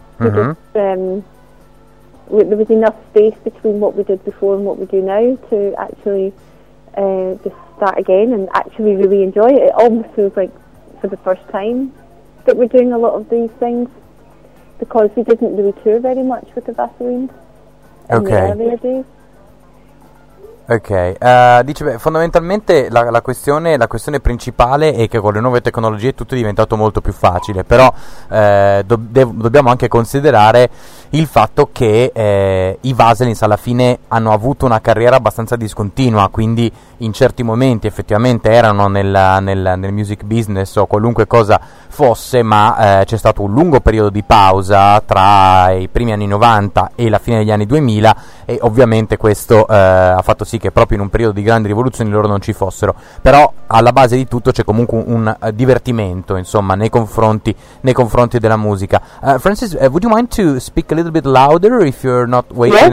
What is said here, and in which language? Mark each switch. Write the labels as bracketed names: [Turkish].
[English] Because there was enough space between what we did before and what we do now to actually just start again and actually really enjoy it. It almost feels like for the first time that we're doing a lot of these things, because we didn't really tour very much with the Vaselins in the earlier days. [Italian] Ok, dice, beh, fondamentalmente la questione principale è che con le nuove tecnologie tutto è diventato molto più facile, però dobbiamo anche considerare il fatto che i Vaselins alla fine hanno avuto una carriera abbastanza discontinua, quindi in certi momenti effettivamente erano nel music business o qualunque cosa fosse, ma c'è stato un lungo periodo di pausa tra i primi anni 90 e la fine degli anni 2000, e ovviamente questo ha fatto sì che proprio in un periodo di grandi rivoluzioni loro non ci fossero, però alla base di tutto c'è comunque un divertimento, insomma, nei confronti della musica. [English] Francis, would you mind to speak a little bit louder if you're not waiting?